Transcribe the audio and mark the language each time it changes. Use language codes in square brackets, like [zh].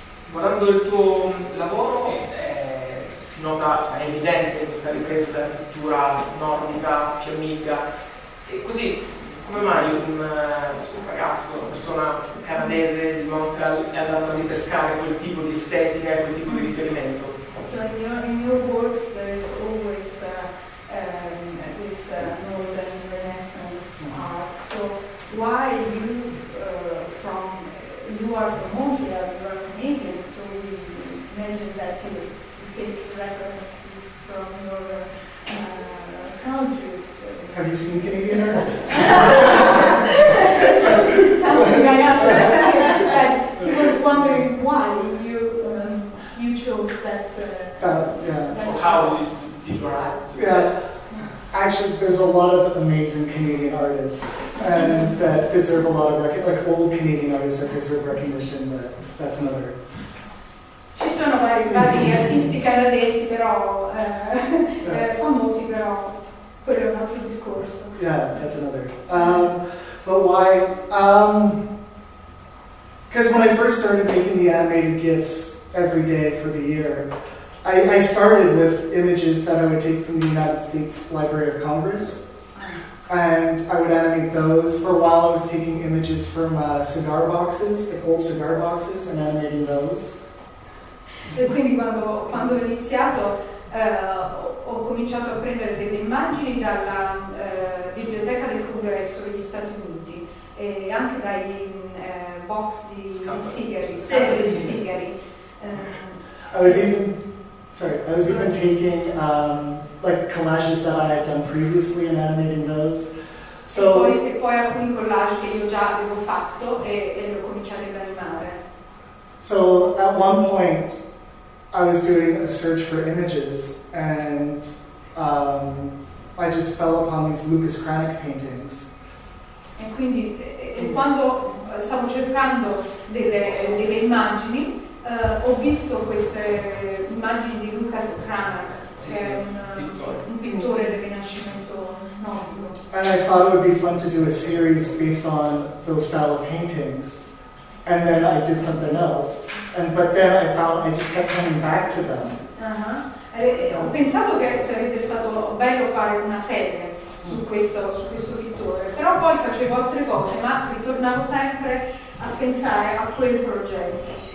[it] Guardando il tuo lavoro, si nota, cioè, è evidente questa ripresa della pittura nordica, fiammiga. E così, come mai un ragazzo, una persona canadese di Montreal è andato a ripescare quel tipo di estetica e quel tipo di riferimento? [en] So in your works there is always this northern Renaissance art. So why you from you are from Montreal, you are Canadian, so you mentioned that you take references from your countries. Have you seen Canadian art? This was something I have to say. He was wondering why you chose that. Well, how did you arrive to that? Actually, there's a lot of amazing Canadian artists that deserve a lot of recognition, like old Canadian artists that deserve recognition, but that's another. [it] Ci sono vari artisti canadesi però famosi, però quello è un altro discorso. [en] Yeah, that's another. But why? Because when I first started making the animated GIFs every day for the year, I started with images that I would take from the United States Library of Congress, and I would animate those. For a while I was taking images from cigar boxes, like old cigar boxes, and animating those. [it] E quindi quando ho iniziato, ho cominciato a prendere delle immagini dalla Biblioteca del Congresso degli Stati Uniti e anche dai box di sigari, scatole di sigari. [en] I was even taking like collages that I had done previously and animating those. So, [it] e poi alcuni collage che io già avevo fatto e li ho cominciati ad animare. [en] So at one point I was doing a search for images and I just fell upon these Lucas Cranach paintings. [it] E quindi quando stavo cercando delle immagini, ho visto queste immagini di Lucas Cranach, che è un pittore del Rinascimento nordico. [en] And I thought it would be fun to do a series based on those style of paintings. And then I did something else. But then I just kept coming back to them. [it] Ho pensato che sarebbe stato bello fare una serie su questo produttore, però poi facevo altre cose, ma ritornavo sempre a pensare a quel progetto.